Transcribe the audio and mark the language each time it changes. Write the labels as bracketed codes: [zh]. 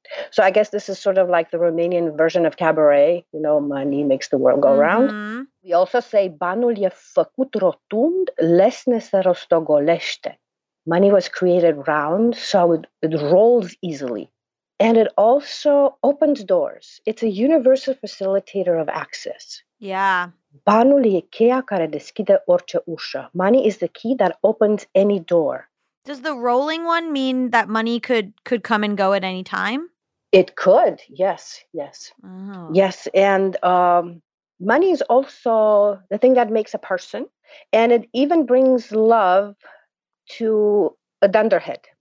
[en] So I guess this is sort of like the Romanian version of cabaret. You know, money makes the world go round. We also say [ro] banul e făcut rotund, lesne se rostogolește. [en] Money was created round, so it rolls easily. And it also opens doors. It's a universal facilitator of access. Yeah. [ro] Banul e cheia care deschide orice ușă. [en] Money is the key that opens any door. Does the rolling one mean that money could come and go at any time? It could, yes, yes. Oh. Yes, and money is also the thing that makes a person, and it even brings love to a dunderhead.